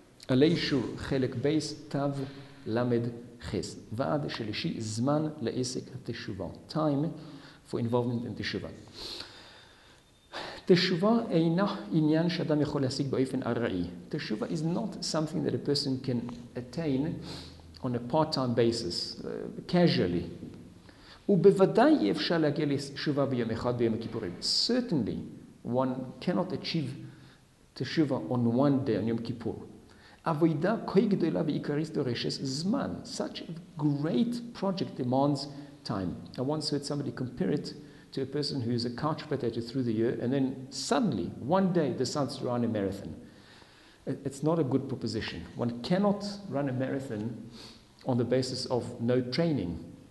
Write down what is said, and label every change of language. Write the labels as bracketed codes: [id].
[he] אלישור חלק בייס תו למד חס. ועד שלישי, זמן לעסק התשובה. [en] Time for involvement in תשובה. [he] תשובה אינה עניין שאדם יכול להשיג באופן ארעי. [en] תשובה is not something that a person can attain on a part-time basis, casually. [he] ובוודאי אי אפשר להגיע לתשובה ביום אחד ביום הכיפורים. [en] Certainly, one cannot achieve תשובה on one day, on יום כיפור. [he] עבודה כה גדולה ועיקרית דורשת זמן. [en] Such a great project demands time. I once heard somebody compare it to a person who is a couch potato through the year and then suddenly, one day, decides to run a marathon. It's not a good proposition. One cannot run a marathon on the basis of no training.